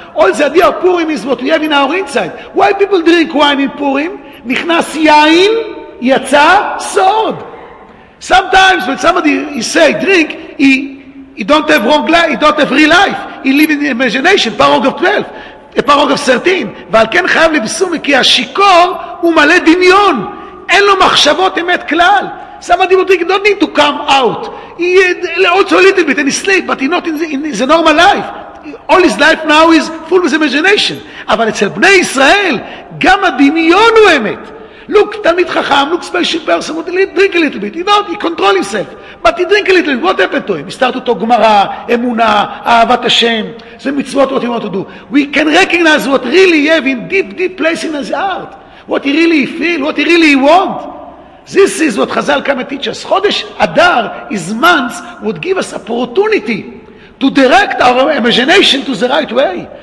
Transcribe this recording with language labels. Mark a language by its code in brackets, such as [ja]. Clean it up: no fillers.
[en] All the idea of Purim is what we have in our inside. Why people drink wine in Purim? [he] נכנס יין, יצא סוד. [en] Sometimes when somebody he say drink, he don't have wrong life, he don't have real life. He live in imagination, paragraph 12, paragraph 13. [he] ועל כן חייב לבסום, כי השיקור הוא מלא דמיון. אין לו מחשבות אמת כלל. [en] Somebody would think, don't need to come out. He also a little bit and he sleep, but he's not in the normal life. All his life now is full with imagination. [he] אבל אצל בני ישראל, גם הדמיון הוא אמת. [en] Look, תלמיד חכם, look special person, drink a little bit. He control himself. But he drink a little bit. What happened to him? He started to גמרא, אמונה, אהבת השם. זה מצוות what he want to do. We can recognize what really he have in deep, deep place in his heart. What he really feel, what he really want. This is what Chazal come and teach us. Chodesh Adar is months would give us opportunity to direct our imagination to the right way.